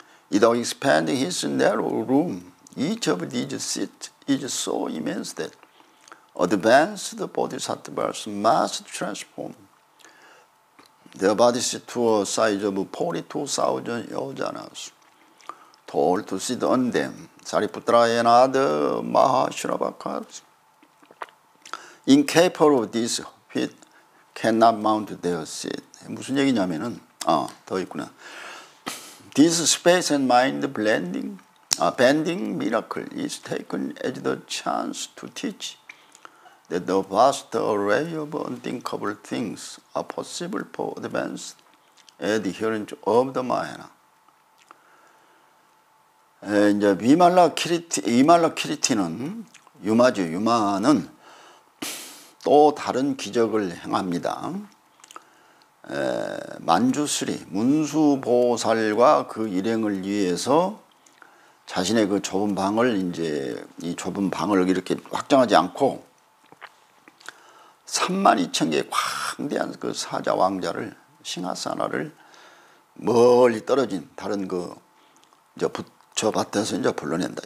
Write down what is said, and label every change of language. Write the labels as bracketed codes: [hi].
[en] It expanding his narrow room, each of these seats is so immense that advanced bodhisattvas must transform their bodies to a size of 42,000 yojanas. Told to sit on them, Sariputra and other Mahasravakas, incapable of this feat, cannot mount their seat. [ko] 무슨 얘기냐면은, 아, 더 있구나. [en] This space and mind blending, bending miracle is taken as the chance to teach that the vast array of unthinkable things are possible for advanced adherence of the Mahayana. [ko] 이제 이말라키리티는 유마죠. 유마는 또 다른 기적을 행합니다. 만주스리 문수보살과 그 일행을 위해서 자신의 그 좁은 방을 이제 이 좁은 방을 이렇게 확장하지 않고 32,000개의 광대한 그 사자 왕자를 싱하사나를 멀리 떨어진 다른 그 이제 저 밭에서 이제 불러낸다.